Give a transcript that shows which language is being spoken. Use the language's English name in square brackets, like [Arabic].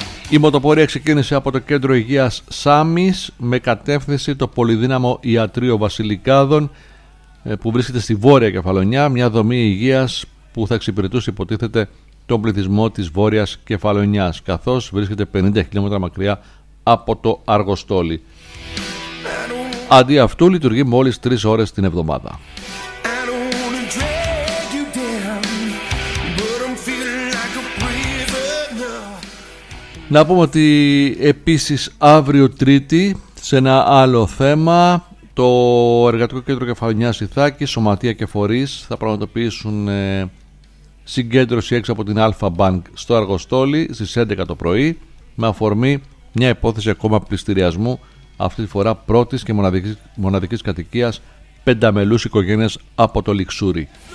[Greek] Η μοτοπορία ξεκίνησε από το Κέντρο Υγείας Σάμις με κατεύθυνση το Πολυδύναμο Ιατρείο Βασιλικάδων που βρίσκεται στη Βόρεια Κεφαλονιά, μια δομή υγείας που θα εξυπηρετούσε υποτίθεται τον πληθυσμό της Βόρειας Κεφαλονιάς, καθώς βρίσκεται 50 χιλιόμετρα μακριά από το Αργοστόλι. Αντί αυτού λειτουργεί μόλις 3 ώρες την εβδομάδα. [English] I don't wanna drag you down, but I'm feeling like a breeze. [Greek] Να πούμε ότι επίσης αύριο Τρίτη, σε ένα άλλο θέμα, το Εργατικό Κέντρο Κεφαλονιάς Ιθάκης, Σωματεία και Φορείς θα πραγματοποιήσουν συγκέντρωση έξω από την Alpha Bank στο Αργοστόλι στις 11 το πρωί, με αφορμή μια υπόθεση ακόμα πληστηριασμού, αυτή τη φορά πρώτης και μοναδικής κατοικίας πενταμελούς οικογένειας από το Λιξούρι.